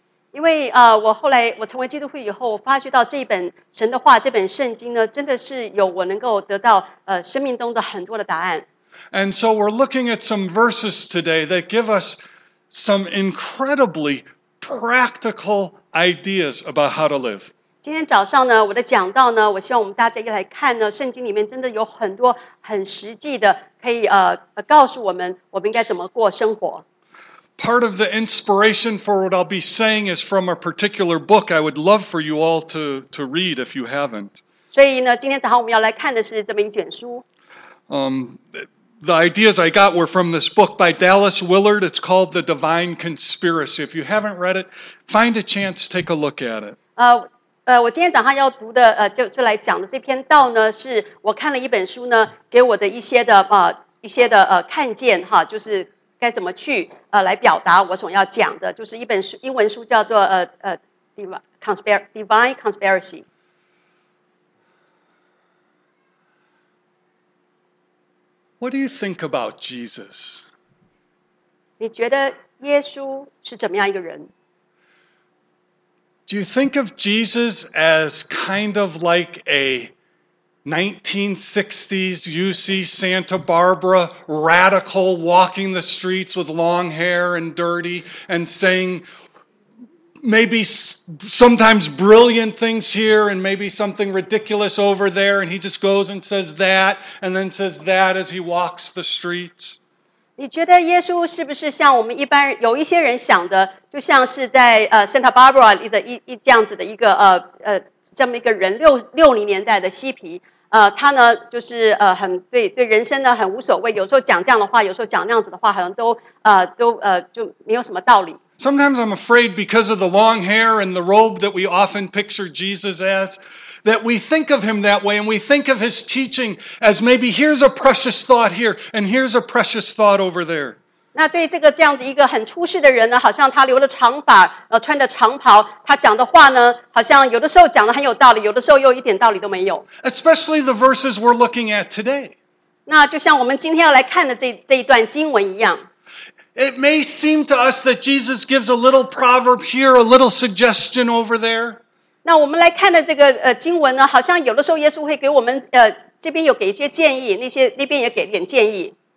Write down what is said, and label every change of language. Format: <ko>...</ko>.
<zh>因为我后来我成为基督徒以后，我发觉到这本神的话，这本圣经呢，真的是有我能够得到生命中的很多的答案。</zh> <en>And so we're looking at some verses today that give us some incredibly practical ideas about how to live.</en> <zh>今天早上呢，我的讲道呢，我希望我们大家一来看呢，圣经里面真的有很多很实际的，可以告诉我们我们应该怎么过生活。</zh> <en>Part of the inspiration for what I'll be saying is from a particular book I would love for you all to read if you haven't.</en> <zh>所以呢，今天早上我们要来看的是这么一卷书。</zh> <en>The ideas I got were from this book by Dallas Willard. It's called The Divine Conspiracy. If you haven't read it, find a chance, take a look at it.</en> <zh>我今天早上要读的就来讲的这篇道呢，是我看了一本书呢，给我的一些的看见哈，就是。该怎么去来表达我所要讲的，就是一本书，英文书叫做Divine Conspiracy。</zh> <en>What do you think about Jesus?</en> <zh>你觉得耶稣是怎么样一个人？</zh> <en>Do you think of Jesus as kind of like a 1960s UC Santa Barbara radical walking the streets with long hair and dirty and saying maybe sometimes brilliant things here and maybe something ridiculous over there and he just goes and says that and then says that as he walks the streets?</en> <zh>你觉得耶稣是不是像我们一般有一些人想的就像是在Santa Barbara 的一这样子的一个这么一个人60年代的嬉皮他呢就是很对人生呢很无所谓，有时候讲这样的话，有时候讲那样子的话，好像都就没有什么道理。</zh> <en>Sometimes I'm afraid because of the long hair and the robe that we often picture Jesus as, that we think of him that way and we think of his teaching as maybe here's a precious thought here and here's a precious thought over there.</en> <zh>那对这个这样的一个很出世的人呢，好像他留了长发，穿着长袍，他讲的话呢，好像有的时候讲的很有道理，有的时候又一点道理都没有。</zh> <en>Especially the verses we're looking at today.</en> <zh>那就像我们今天要来看的这一段经文一样。</zh> <en>It may seem to us that Jesus gives a little proverb here, a little suggestion over there.</en> <zh>那我们来看的这个经文呢，好像有的时候耶稣会给我们这边有给一些建议，那边也给点建议。</zh>